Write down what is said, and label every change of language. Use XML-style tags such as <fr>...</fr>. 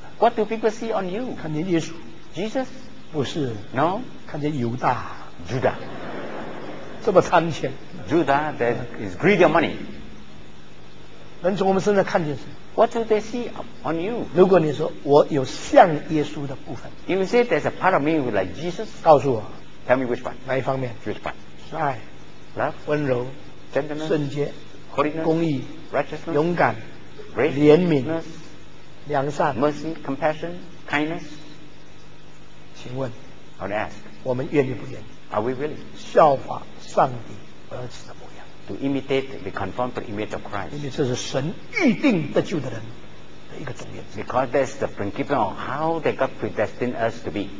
<en>What do people see on you?</en> <zh>看见耶稣</zh> <en>Jesus?</en> <zh>不是</zh> <en>No?</en> <zh>看见犹大</zh> <en>Judah</en> <zh>这么贪钱</zh> <en>Judah that is greedy of money</en> <zh>人从我们身上看见什么</zh> <en>What do they see on you?</en> <zh>如果你说我有像耶稣的部分</zh> <en>You say there's a part of me like Jesus</en> <zh>告诉我</zh> <en>Tell me which part</en> <zh>哪一方面</zh> <en>Which part</en> <zh>帅</zh> <en>Love</en> <zh>温柔</zh> <en>Gentleness</en> <zh>圣洁</zh> <en>holiness,</en> <zh>公义</zh> <en>righteousness,</en> <zh>勇敢</zh> <en>grace,</en> <zh>怜悯</zh> <en>goodness,</en> <zh>良善</zh> <en>mercy, compassion, kindness.</en> <zh>请问</zh> <en>I want to ask,</en> <zh>我们愿意不愿意</zh> <en>Are we willing?</en> <zh>效法上帝儿子的模样</zh> <en>To imitate, we conform to the image of Christ.</en> <zh>因为这是神预定得救的人的一个重点</zh> <en>Because that's the principle of how they got predestined us to be.</en>